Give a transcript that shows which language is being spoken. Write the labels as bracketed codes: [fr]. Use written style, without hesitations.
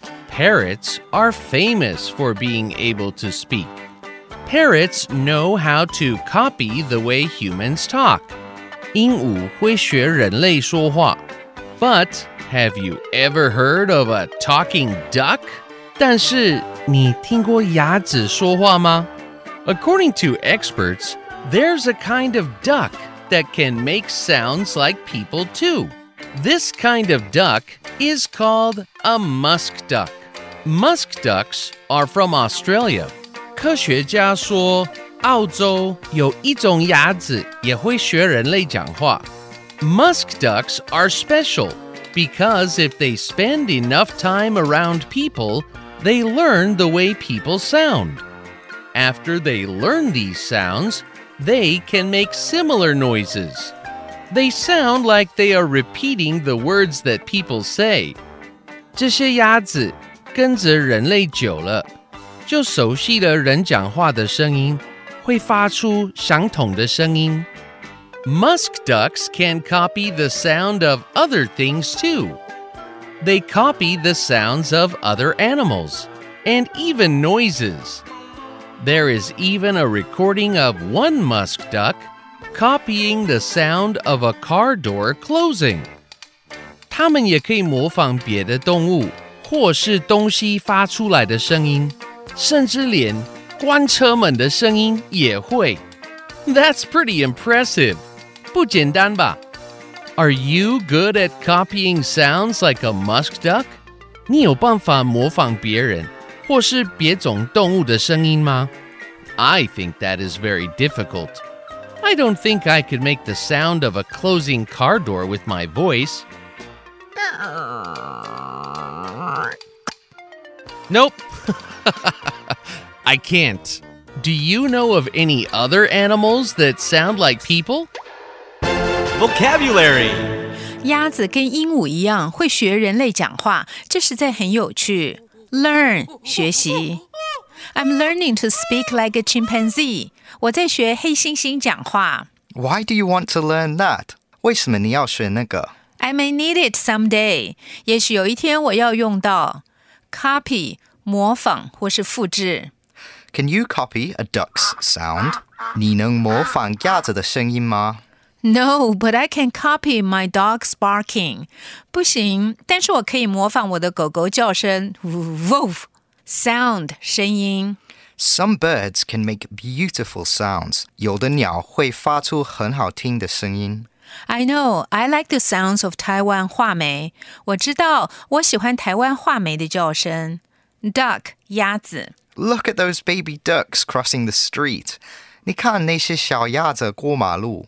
[en] Parrots are famous for being able to speak. Parrots know how to copy the way humans talk. [zh] 鹦鹉会学人类说话 [en] But have you ever heard of a talking duck? [zh] 但是你听过鸭子说话吗? [en] According to experts, there's a kind of duck that can make sounds like people too. This kind of duck is called a musk duck. Musk ducks are from Australia. [zh] 科学家说澳洲有一种鸭子也会学人类讲话。 [en] Musk ducks are special because if they spend enough time around people, they learn the way people sound. After they learn these sounds, they can make similar noises. They sound like they are repeating the words that people say. [zh] 这些鸭子跟着人类久了，就熟悉了人讲话的声音。会发出相同的声音。 [en] Musk ducks can copy the sound of other things too. They copy the sounds of other animals, and even noises. There is even a recording of one musk duck copying the sound of a car door closing. [zh] 它们也可以模仿别的动物或是东西发出来的声音，甚至连关车门的声音也会。 [en] That's pretty impressive. [zh] 不简单吧? [en] Are you good at copying sounds like a musk duck? [zh] 你有办法模仿别人或是别种动物的声音吗? [en] I think that is very difficult. I don't think I could make the sound of a closing car door with my voice. Nope. I can't. Do you know of any other animals that sound like people? Vocabulary. [zh] 鸭子跟鹦鹉一样会学人类讲话，这实在很有趣。 [en] Learn, 学习。I'm learning to speak like a chimpanzee. [zh] 我在学黑猩猩讲话。 [en] Why do you want to learn that? [zh] 为什么你要学那个? [en] I may need it someday. [zh] 也许有一天我要用到。 Copy, 模仿或是复制。 [en] Can you copy a duck's sound? [zh] 你能模仿鸭子的声音吗? [en] No, but I can copy my dog's barking. [zh] 不行,但是我可以模仿我的狗狗叫声。 [en] Woof! Sound, 声音。 Some birds can make beautiful sounds. [zh] 有的鸟会发出很好听的声音。 [en] I know, I like the sounds of Taiwan 畫眉。 [zh] 我知道,我喜欢台湾畫眉的叫声。 [en] Duck, 鸭子。 Look at those baby ducks crossing the street. [zh] 你看那些小鸭子过马路。